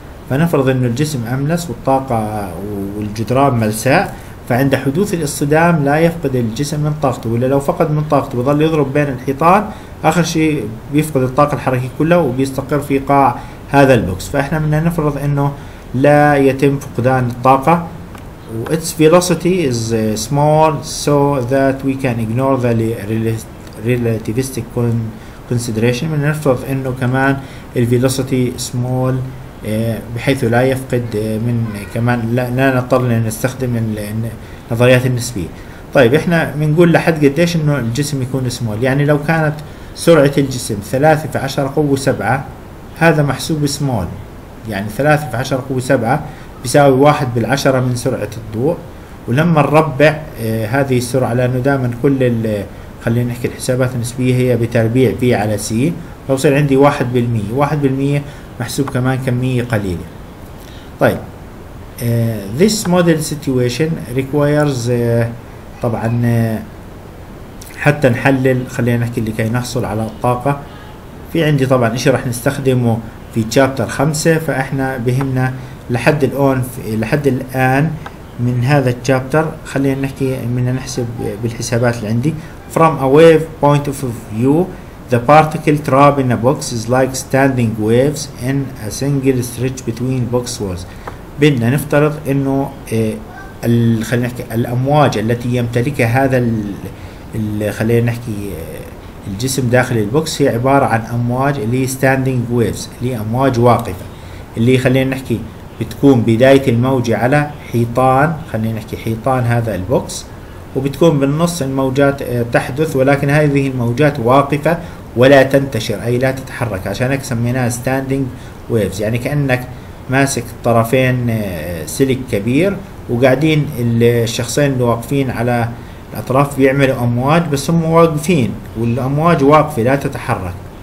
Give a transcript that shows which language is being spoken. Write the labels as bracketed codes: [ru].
[ar] فنفرض أن الجسم أملس والطاقة والجدران ملساء، فعند حدوث الاصطدام لا يفقد الجسم من طاقته، ولا لو فقد من طاقته بيظل يضرب بين الحيطان آخر شيء بيفقد الطاقة الحركية كلها وبيستقر في قاع هذا البوكس، فإحنا بدنا نفرض أنه لا يتم فقدان الطاقة. [en] و its velocity is small so that we can ignore the relativistic consideration. [ar] من نفرض انه كمان ال [en] velocity small [ar] بحيث لا يفقد من كمان لا نضطر نستخدم النظريات النسبية. طيب احنا بنقول لحد قديش انه الجسم يكون small، يعني لو كانت سرعة الجسم 3 × 10^7 هذا محسوب small، يعني 3 × 10^7 بيساوي 1/10 سرعة الضوء، ولما نربع هذه السرعة، لأنه دائما كل خلينا نحكي الحسابات النسبية هي بتربيع في على سي، فبصير عندي 1%، 1% محسوب كمان كمية قليلة. طيب [en] this model situation requires [ar] طبعا حتى نحلل خلينا نحكي لكي نحصل على الطاقة، في عندي طبعا إشي راح نستخدمه في chapter 5، فإحنا بهمنا لحد الان من هذا الشابتر خلينا نحكي من نحسب بالحسابات اللي عندي. [en] From a wave point of view the particle trap in a box is like standing waves in a single stretch between box walls. [ar] بدنا نفترض انه خلينا نحكي الامواج التي يمتلكها هذا خلينا نحكي الجسم داخل البوكس هي عبارة عن امواج اللي standing waves، اللي امواج واقفة، اللي خلينا نحكي بتكون بداية الموجة على حيطان، خلينا نحكي حيطان هذا البوكس، وبتكون بالنص الموجات تحدث، ولكن هذه الموجات واقفة ولا تنتشر، أي لا تتحرك، عشان هيك سميناها ستاندينج ويفز، يعني كأنك ماسك طرفين سلك كبير وقاعدين الشخصين اللي واقفين على الأطراف بيعملوا أمواج، بس هم واقفين والأمواج واقفة لا تتحرك.